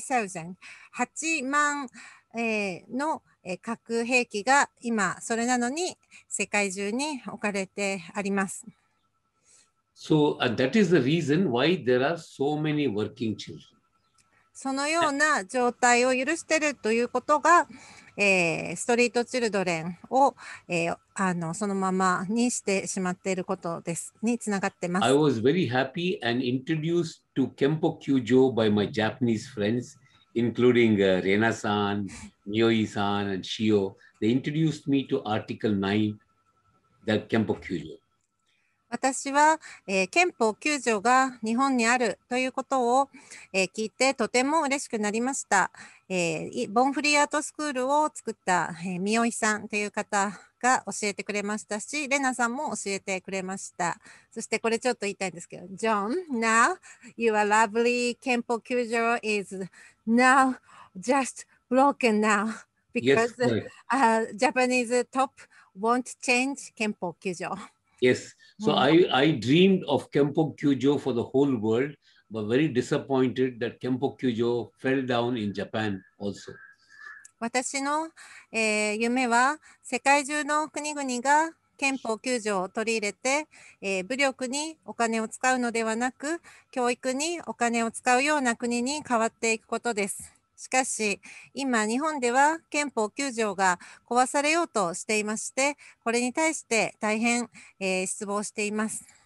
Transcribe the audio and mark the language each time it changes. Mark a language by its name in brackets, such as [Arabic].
[Japanese] 18,000の核兵器が今それなのに世界中に置かれてあります。 [English] So, that is the reason why there are so many working children. [Japanese] そのような状態を許しているということが、ストリートチルドレンを、そのままにしてしまっていることですにつながってます。 [English] I was very happy and introduced to Kenpo Kyujo by my Japanese friends, including Rena-san, Mioi-san, and Shio. They introduced me to Article 9, the Kenpo Kyujo. [Japanese] 私は、憲法9条が日本にあるということを、聞いてとても嬉しくなりました。ボンフリーアートスクールを作った、三尾さんという方が教えてくれましたし、レナさんも教えてくれました。そしてこれちょっと言いたいんですけど、 [English] John, now your lovely 憲法9条 is now just broken now because、Japanese top won't change 憲法9条。 Yes, so I dreamed of Kenpo Kyujo for the whole world, but very disappointed that Kenpo Kyujo fell down in Japan also. [Japanese] 私の、夢は世界中の国々が憲法9条を取り入れて、武力にお金を使うのではなく、教育にお金を使うような国に変わっていくことです。しかし今日本では憲法9条が壊されようとしていまして、これに対して大変、失望しています。